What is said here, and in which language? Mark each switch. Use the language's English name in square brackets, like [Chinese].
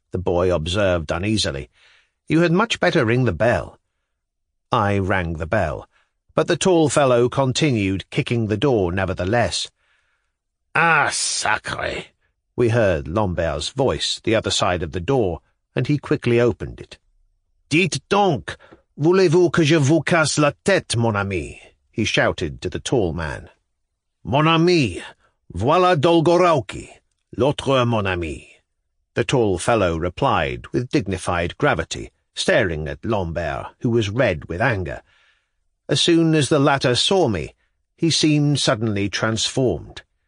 [English] the boy observed uneasily. "You had much better ring the bell." I rang the bell, but the tall fellow continued kicking the door nevertheless. [French] "Ah, sacré!" [English] we heard Lambert's voice the other side of the door, and he quickly opened it. [French] "Dites donc, voulez-vous que je vous casse la tête, mon ami?" [English] he shouted to the tall man. [French] "Mon ami, voilà Dolgoruki, l'autre mon ami," [English] the tall fellow replied with dignified gravity, staring at Lambert, who was red with anger. As soon as the latter saw me, he seemed suddenly transformed.